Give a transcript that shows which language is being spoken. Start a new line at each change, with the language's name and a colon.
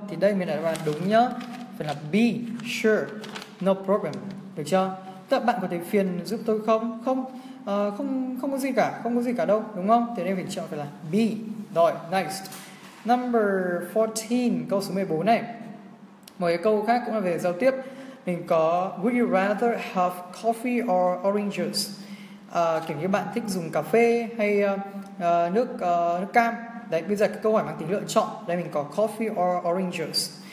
Vietnamese: Thì đây mình đã đúng nhá. Phải là B,
English: sure, no problem.
Vietnamese: Được chưa? Tức bạn có thể phiền giúp tôi không? Không, không có gì cả, không có gì cả đâu, đúng không? Thế nên mình chọn phải là B. Rồi, next. Number 14, câu số 14 này. Một cái câu khác cũng là về giao tiếp. Mình có
English: would you rather have coffee or orange juice?
Vietnamese: Kiểu như bạn thích dùng cà phê hay nước cam. Đấy, bây giờ cái câu hỏi mang tính lựa chọn. Đây mình có
English: coffee or orange juice.